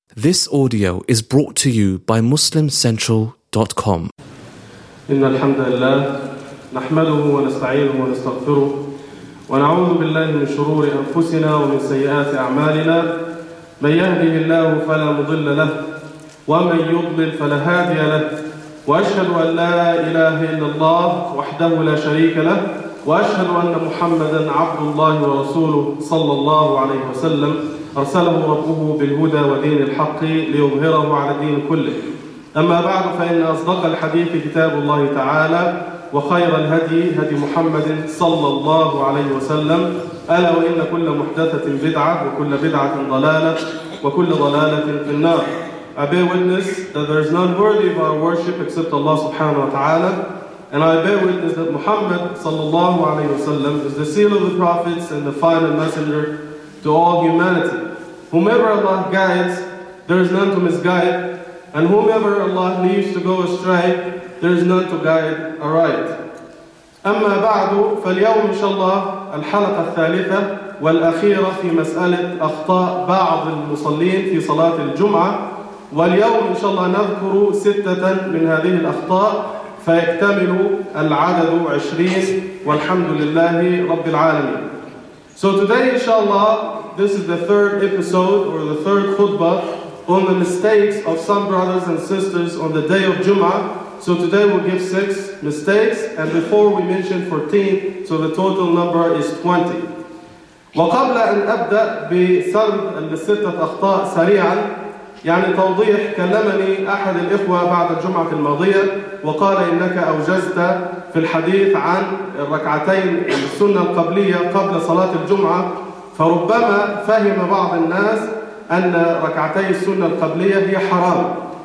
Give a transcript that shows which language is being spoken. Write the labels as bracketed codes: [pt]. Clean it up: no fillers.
[en] This audio is brought to you by MuslimCentral.com. [ar] إن الحمد لله نحمده ونستعينه ونستغفره ونعوذ بالله من شرور أنفسنا ومن سيئات أعمالنا. من يهده الله فلا مضل له ومن يضلل فلا هادي له. وأشهد أن لا إله إلا الله وحده لا شريك له وأشهد أن محمدا عبد الله ورسوله صلى الله عليه وسلم أرسله ربه بالهدى ودين الحق ليظهره على الدين كله. أما بعد فإن أصدق الحديث كتاب الله تعالى وخير الهدي هدي محمد صلى الله عليه وسلم ألا وإن كل محدثة بدعة وكل بدعة ضلالة وكل ضلالة في النار. [en] I bear witness that there is none worthy of our worship except Allah subhanahu wa ta'ala, and I bear witness that Muhammad صلى الله عليه وسلم is the seal of the prophets and the final messenger to all humanity. Whomever Allah guides, there is none to misguide, and whomever Allah leaves to go astray, there is none to guide aright. [ar] أما بعد فاليوم إن شاء الله الحلقة الثالثة والأخيرة في مسألة أخطاء بعض المصلين في صلاة الجمعة. واليوم إن شاء الله نذكر ستة من هذه الأخطاء فيكتمل العدد 20 والحمد لله رب العالمين. [en] So today, inshallah, this is the third episode or the third khutbah on the mistakes of some brothers and sisters on the day of Jum'ah. So today we'll give 6 mistakes, and before we mention 14, so the total number is 20. [ar] وقبل أن أبدأ بسرد الستة أخطاء سريعا يعني توضيح, كلمني أحد الإخوة بعد الجمعة الماضية وقال إنك أوجزت في الحديث عن الركعتين السنة القبلية قبل صلاة الجمعة, فربما فهم بعض الناس أن ركعتي السنة القبلية هي حرام,